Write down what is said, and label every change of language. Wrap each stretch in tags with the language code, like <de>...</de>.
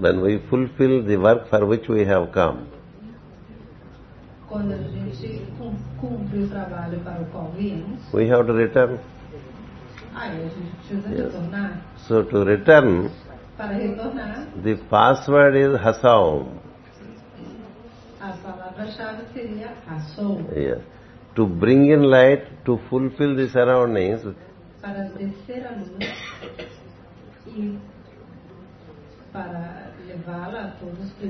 <en>when we fulfill the work for which we have come,</en> <pt>quando a gente cumpre o trabalho para o qual viemos,</pt> <en>we have to return.</en> <pt>Aí a gente precisa retornar.</pt> <en>So to return,</en> <pt>para retornar,</pt> <en>the password is Hasaum.</en> <pt>A palavra-chave seria Hasaum.</pt> <en>Yes. To bring in light, to fulfill the surroundings.</en> <pt>Para descer a luz e para levá-la a todos que</pt>